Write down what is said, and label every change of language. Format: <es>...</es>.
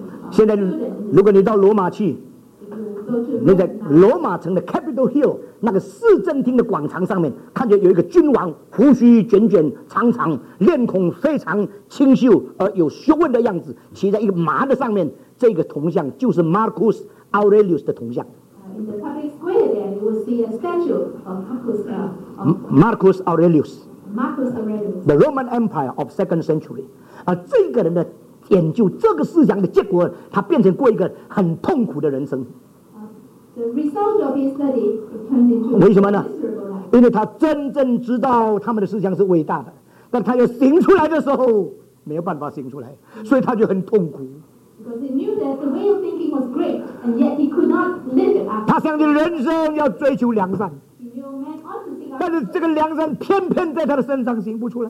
<zh>现在，如果你到罗马去，你在罗马城的 Capitol Hill 那个市政厅的广场上面，看见有一个君王，胡须卷卷长长，面孔非常清秀而有学问的样子，骑在一个马的上面。这个铜像就是 Marcus Aurelius 的铜像。</zh> <en>In the public square there, you will see a statue of Marcus Aurelius. Marcus Aurelius, the Roman Empire of second century.</en> <zh>这个人的研究这个思想的结果，他变成过一个很痛苦的人生。</zh> <en>The result of his study turned into a miserable life.</en> <zh>为什么呢？因为他真正知道他们的思想是伟大的，但他要行出来的时候没有办法行出来，所以他就很痛苦。</zh> <en>Because he knew that the way of thinking was great, and yet he could not live it out.</en> <zh>他相信人生要追求良善。</zh> <en>He knew man ought to think.</en> <zh>但是这个良善偏偏在他的身上行不出来。</zh>